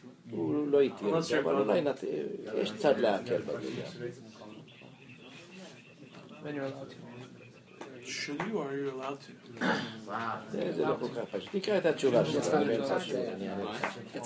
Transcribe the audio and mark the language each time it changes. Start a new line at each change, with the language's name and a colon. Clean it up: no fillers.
Hebrew: הוא לא איתי, אבל אולי נתאים, יש צד להקל בגלל.
English: Should you or are you allowed to?
Hebrew: זה לא כל כך פשוט. תקרא את התשובה שלך, אני באמצע שאני אענה לך.